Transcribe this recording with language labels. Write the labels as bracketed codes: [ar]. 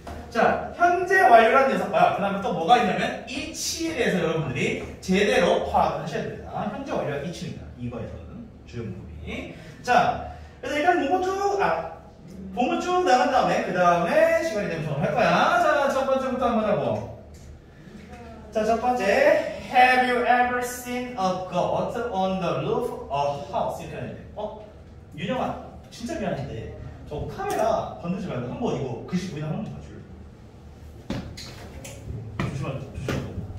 [ko] 자 현재 완료라는 녀석과 그 다음에 또 뭐가 있냐면 이치에 대해서 여러분들이 제대로 파악을 하셔야 됩니다. 현재 완료 이치입니다. 2번에서는 주요 문법. 자, 그래서 일단 본문 쭉, 본문 쭉 나간 다음에, 그 다음에 시간이 되면 좀 할 거야. 자, 첫 번째부터 한번 해보. 자, 첫 번째. [en] Have you ever seen a goat on the roof of a house? [ko] 이렇게 하는데. 어? 윤영아, 진짜 미안한데. 저 카메라 건들지 말고 한번 이거 글씨 보이나 한번 봐줄. 조심하세요, 조심하세요.